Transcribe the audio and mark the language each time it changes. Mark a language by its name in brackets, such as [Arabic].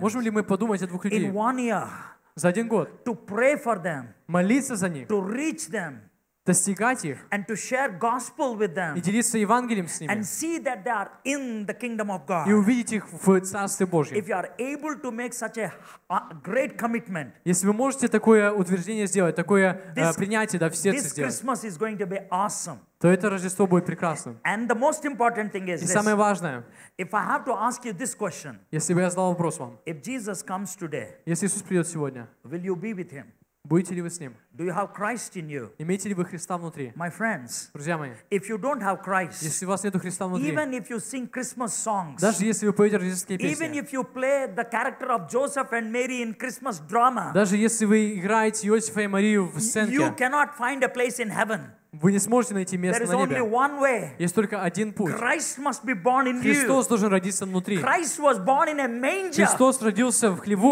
[Russian] Можем ли мы подумать о двух людей? [English] In one year, [Russian] за один год. [English] To pray for them, [Russian] молиться за них. [English] To reach them, [Russian] достигать их. [English] And to share gospel with them, [Russian] и делиться Евангелием с ними. [English] And see that they are in the kingdom of God. [Russian] И увидеть их в Царстве Божьем. [English] If you are able to make such a great commitment, [Russian] если вы можете такое утверждение сделать, такое принятие, да, в сердце сделать. [English] This Christmas is going to be awesome. [Russian] То это Рождество будет прекрасным. [English] And the most important thing is [Russian] и самое важное. [English] If I have to ask you this question, [Russian] если бы я задал вопрос вам. [English] If Jesus comes today, [Russian] если Иисус придет сегодня. [English] Will you be with him? [Russian] Будете ли вы с ним? [English] Do you have Christ in you? [Russian] Имеете ли вы Христа внутри? [English] My friends, [Russian] друзья мои. [English] If you don't have Christ, [Russian] если у вас нет Христа внутри. [English] Even if you sing Christmas songs, [Russian] даже если вы поете рождественские песни. [English] Even if you play the character of Joseph and Mary in Christmas drama, [Russian] даже если вы играете Иосифа и Марию в сценке. [English] You cannot find a place in heaven. [Russian] Вы не сможете найти место на небе. Есть только один путь. Христос должен родиться внутри. Христос родился в хлеву.